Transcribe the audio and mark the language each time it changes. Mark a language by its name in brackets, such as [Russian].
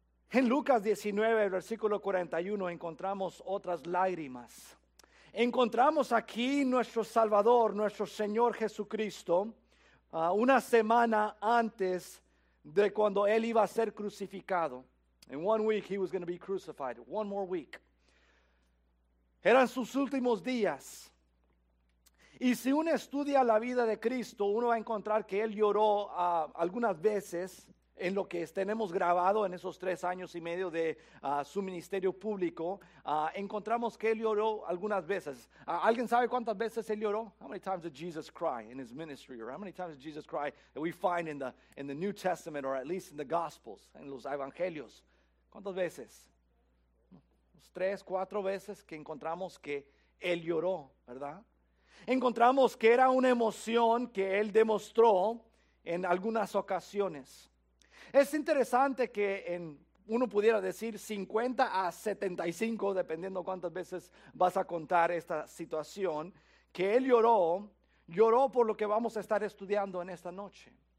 [Spanish] En Lucas 19, versículo 41, encontramos otras lágrimas. Encontramos aquí nuestro Salvador, nuestro Señor Jesucristo, una semana antes de cuando Él iba a ser crucificado. [English] In one week He was going to be crucified, one more week. [Spanish] Eran sus últimos días. Y si uno estudia la vida de Cristo, uno va a encontrar que Él lloró algunas veces en lo que tenemos grabado en esos 3 años y medio de su ministerio público. Encontramos que Él lloró algunas veces. ¿Alguien sabe cuántas veces Él lloró? [English] How many times did Jesus cry in His ministry? Or how many times did Jesus cry that we find in the New Testament, or at least in the Gospels, [Spanish] en los Evangelios? ¿Cuántas veces? 3, 4 veces que encontramos que Él lloró, ¿verdad? Encontramos que era una emoción que Él demostró en algunas ocasiones. Es interesante que uno pudiera decir 50 a 75, dependiendo cuántas veces vas a contar esta situación, que Él lloró por lo que vamos a estar estudiando en esta noche.